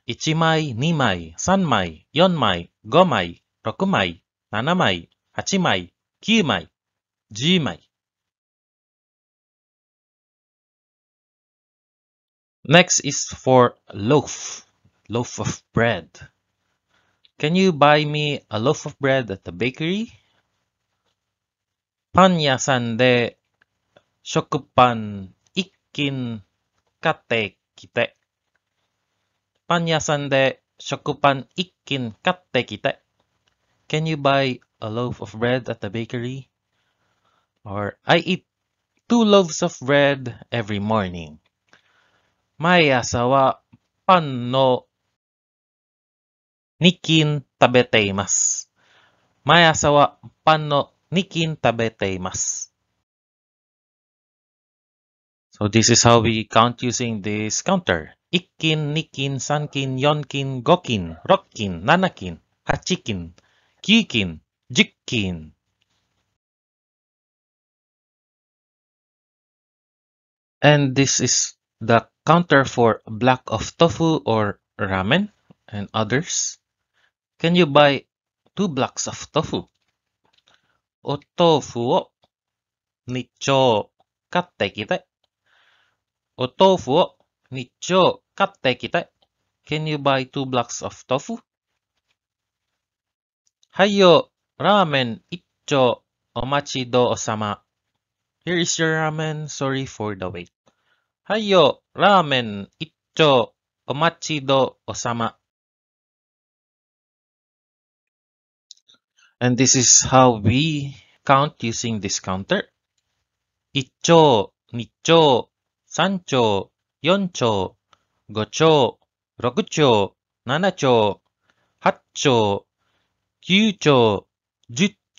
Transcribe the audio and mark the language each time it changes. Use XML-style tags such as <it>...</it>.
<ja>1枚, 2枚, 3枚, 4枚, 5枚, 6枚, 7枚, 8枚, 9枚, 10枚.</ja> <en>Next is for loaf. Loaf of bread. Can you buy me a loaf of bread at the bakery?</en> <ja>パン屋さん で 食パン 1斤 買って 行く. パン屋さんで食パン一斤買ってきて.</ja> <en>Can you buy a loaf of bread at the bakery? Or I eat two loaves of bread every morning.</en> <ja>毎朝はパンの二斤食べています. 毎朝はパンの二斤食べています.</ja> <en>So this is how we count using this counter.</en> <ja>1斤, 2斤, 3斤, 4斤, 5斤, 6斤, 7斤, Hachikin, Kikin, Jikin.</ja> <en>And this is the counter for block of tofu or ramen and others. Can you buy 2 blocks of tofu?</en> <ja>お豆腐を2丁買ってきて。お豆腐を2丁買ってきて。</ja> <en>Can you buy 2 blocks of tofu?</en> <ja>はいよ、ラーメン1丁お待ちどうさま。</ja> <en>Here is your ramen, sorry for the wait.</en> <ja>はいよ、ラーメン1丁お待ちどうさま。</ja> <en>And this is how we count using this counter.</en> <ja>一丁、二丁、三丁、四丁、五丁、六丁、七丁、八丁、九丁、十丁。</ja>